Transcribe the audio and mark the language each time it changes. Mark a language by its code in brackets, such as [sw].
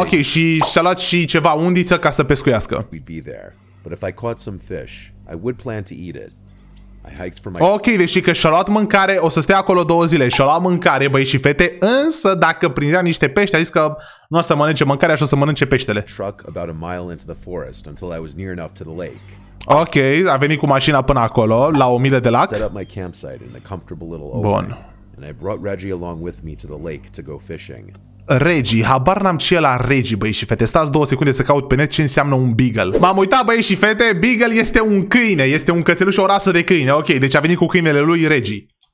[ro] Ok, și s-a luat și ceva undiță ca să pescuiască. [en] But if I caught some fish, I would plan to eat it. I hiked for my... [ro] Ok, deși că și-a luat mâncare, o să stea acolo două zile, și-a luat mâncare, băi și fete, însă dacă prindea niște pești, a zis că nu o să mănânce mâncarea, și o să mănânce peștele. [en] Truck about a mile into the forest until I was near enough to the lake. [ro] Ok, a venit cu mașina până acolo, la o milă de lac. [en] Set up my campsite in a comfortable little opening. [ro] Bun. [en] And I brought Reggie along with me to the lake to go fishing. [ro] Reggie, habar n-am ce e la Reggie, băi și fete. Stați două secunde să caut pe net ce înseamnă un beagle. M-am uitat, băi și fete, beagle este un câine. Este un cățeluș, o rasă de câine. Ok, deci a venit cu câinele lui Reggie.